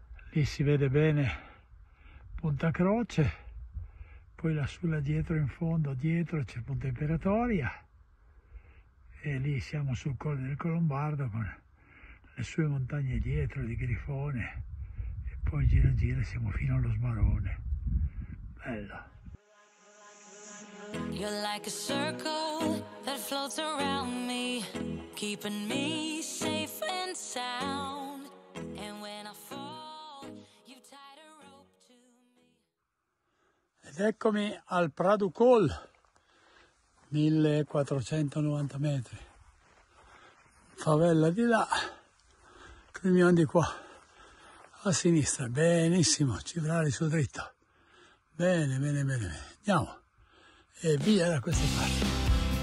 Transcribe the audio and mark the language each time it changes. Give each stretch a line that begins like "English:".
Italian: lì si vede bene Punta Croce, poi lassù là dietro in fondo, dietro c'è Punta Imperatoria, e lì siamo sul Colle del Colombardo con le sue montagne dietro di Grifone, e poi gira gira siamo fino allo Smarone. Bello.
English: You're like a circle that floats around me, keeping me safe and sound, and when I fall you tied a rope to me.
Italian: Ed eccomi al Prado Col, 1490 metri, favela di là, Crimion di qua, a sinistra, benissimo, Cibrali su dritto, bene, bene, bene, bene, andiamo, e via da queste parti.